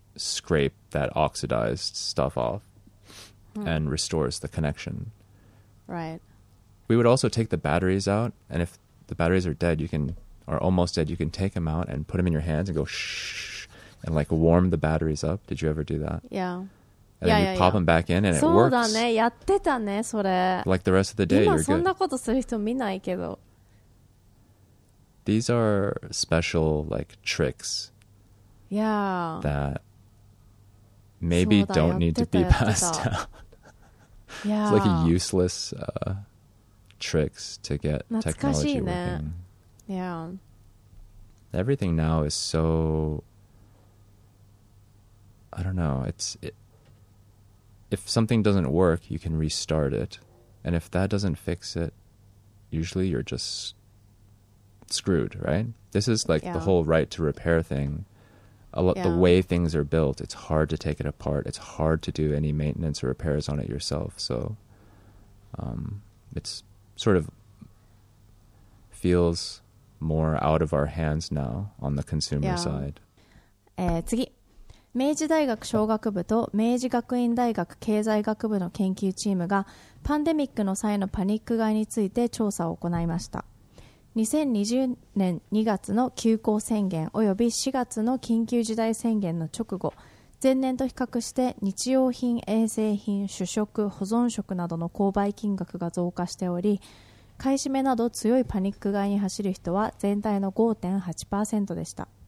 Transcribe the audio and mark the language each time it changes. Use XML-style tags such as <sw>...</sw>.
<en>scrape that oxidized stuff off and restores the connection. Right. We would also take the batteries out, and if the batteries are dead, you can, or almost dead, you can take them out and put them in your hands and go shh, and like warm the batteries up. Did you ever do that? Yeah. And then you pop them back in and it works.</en> <ja>そうだね、やってたね、それ。</ja> <en>Like the rest of the day, you're good.</en> <ja>今そんなことする人見ないけど。</ja> <en>These are special, like, tricks. Yeah. That maybe don't need to be passed down. Yeah. It's like useless tricks to get technology working. Yeah. Everything now is so... I don't know. If something doesn't work, you can restart it. And if that doesn't fix it, usually you're just screwed, right? This is like the whole right to repair thing. The way things are built, it's hard to take it apart. It's hard to do any maintenance or repairs on it yourself. So it's sort of feels more out of our hands now on the consumer side.</en> <ja>次。明治大学商学部と明治学院大学経済学部の研究チームがパンデミックの際のパニック買いについて調査を行いました。 2020年2月の休校宣言および4月の緊急事態宣言の直後、前年と比較して日用品、衛生品、主食、保存食などの購買金額が増加しており、買い占めなど強いパニック買いに走る人は全体の 5.8% でした。</ja>